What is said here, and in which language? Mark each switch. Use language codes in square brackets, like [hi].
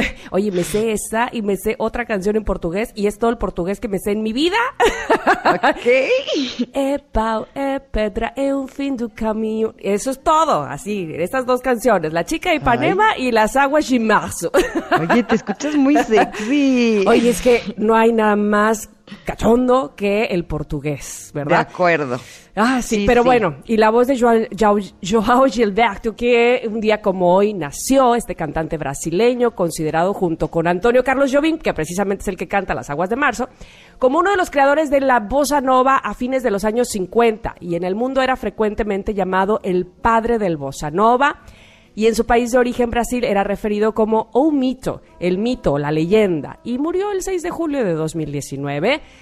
[es] Oye, me sé esa y me sé otra canción en portugués y es todo el portugués que me sé en mi vida. Ok. [pt] É pau, é pedra, é un fin do caminho. [es] Eso es todo, así, estas dos canciones, La chica de Ipanema y Las aguas de março. Oye, te escuchas muy sexy. Oye, es que no hay nada más cachondo que el portugués, ¿verdad? De acuerdo. Ah, sí, sí, pero sí. Bueno, y la voz de João Gilberto, que un día como hoy nació este cantante brasileño, considerado junto con Antônio Carlos Jobim, que precisamente es el que canta Las aguas de março, como uno de los creadores de la bossa nova a fines de los años 50, y en el mundo era frecuentemente llamado el padre del bossa nova, y en su país de origen, Brasil, era referido como o mito, el mito, la leyenda, y murió el 6 de julio de 2019.